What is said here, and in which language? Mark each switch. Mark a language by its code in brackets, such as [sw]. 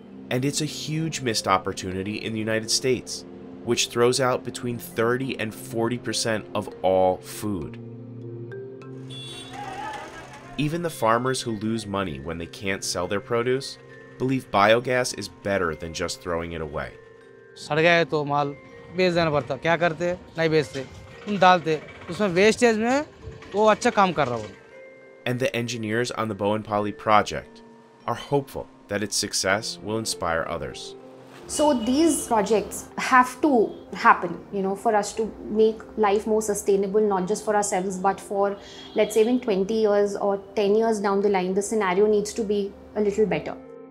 [en] And it's a huge missed opportunity in the United States, which throws out between 30 and 40% of all food. Even the farmers who lose money when they can't sell their produce believe biogas is better than just throwing it away. [hi] सड़ गया तो माल बेच देना पड़ता, क्या करते? नहीं बेचते, उन डालते, उसमें वेस्टेज में वो अच्छा काम कर रहा है। [en] And the engineers on the Bowen Poly project are hopeful that its success will inspire others. So these projects have to happen, you know, for us to make life more sustainable, not just for ourselves, but for, let's say, even 20 years or 10 years down the line, the scenario needs to be a little better.